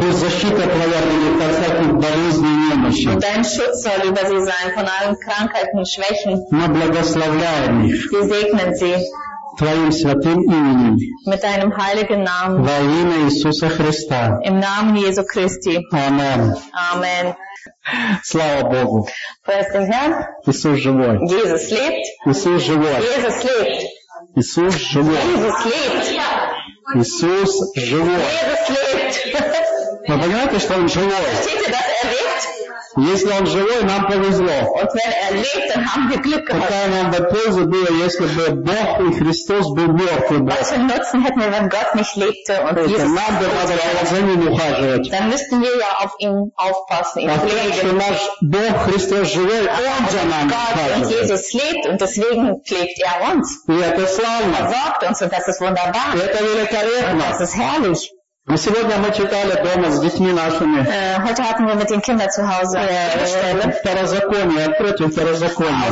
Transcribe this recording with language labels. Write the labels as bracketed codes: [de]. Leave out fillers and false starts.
[ru] Пусть защита твоя будет от всяких болезней и немощи. [de] Und dein Schutz soll über sie sein, von allen Krankheiten und Schwächen. [ru] Мы благословляем их. [de] Wir segnen sie. [ru] Твоим святым именем. [de] Mit deinem heiligen Namen. [ru] Во имя Иисуса Христа. [de] Im Namen Jesu Christi. Amen. Amen. [ru] Слава Богу. [en] Praise the Lord. [ru] Иисус живой. [de] Jesus lebt. [ru] Иисус живой. [de] Jesus lebt. [ru] Иисус живой. [de] Jesus lebt. [ru] Иисус живой. [de] Jesus lebt. [ru] Вы понимаете, что Он живой? [de] Verstehst du, dass er lebt? [ru] Если Он живой, нам повезло. [de] Und wenn er lebt, dann haben wir Glück gehabt. [ru] Какая нам бы польза была, если бы Бог и Христос бы мертвы были? [de] Was für Nutzen hätten wir, wenn Gott nicht lebte und Jesus nicht lebte? [ru] Нам бы надо за Ним ухаживать. [de] Dann müssten wir ja auf ihn aufpassen, ihn pflegen. [ru] Что наш Бог Христос живой, Он за нами ухаживает. [de] Und Jesus lebt und deswegen pflegt er uns. [ru] И это славно. [de] Er sorgt uns und das ist wunderbar. [ru] И это великолепно. [de] Das ist herrlich. [ru] Мы сегодня мы читали дома с детьми нашими. [de] Heute hatten wir mit den Kindern zu Hause. [ru] Второзаконие, против второзакония.